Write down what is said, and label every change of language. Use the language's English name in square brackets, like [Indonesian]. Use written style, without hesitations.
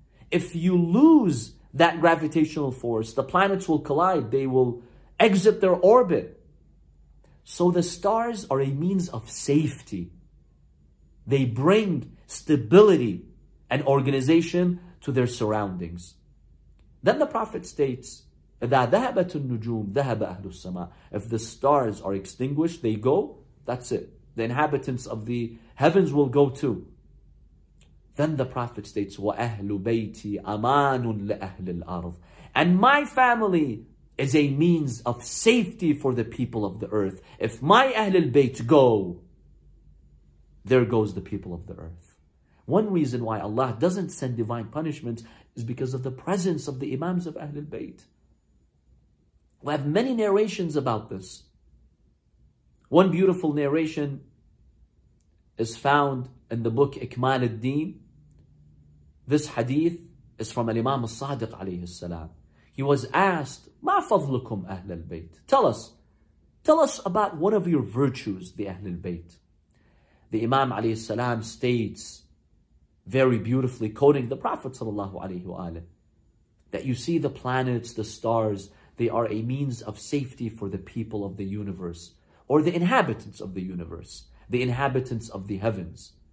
[English] If you lose that gravitational force, the planets will collide, they will exit their orbit. So the stars are a means of safety. They bring stability and organization to their surroundings. Then the Prophet states, [Arabic] إذا ذهبت النجوم ذهب أهل السماء. [English] If the stars are extinguished, they go, that's it. The inhabitants of the heavens will go too. Then the Prophet states, [Arabic] وَأَهْلُ بَيْتِي أَمَانٌ لِأَهْلِ الْأَرْضِ. [English] And my family is a means of safety for the people of the earth. If my Ahlul Bayt go, there goes the people of the earth. One reason why Allah doesn't send divine punishment is because of the presence of the Imams of Ahlul Bayt. We have many narrations about this. One beautiful narration is found in the book Ikmal al-Din. This hadith is from Imam al-Sadiq alayhi salam. He was asked, [Arabic] مَا فَضْلُكُمْ أَهْلَ الْبَيْتِ. [English] Tell us about one of your virtues, the Ahlul Bayt. The Imam alayhi salam states, very beautifully quoting the Prophet sallallahu alayhi wa alayhi, that you see the planets, the stars, they are a means of safety for the people of the universe, or the inhabitants of the universe, the inhabitants of the heavens.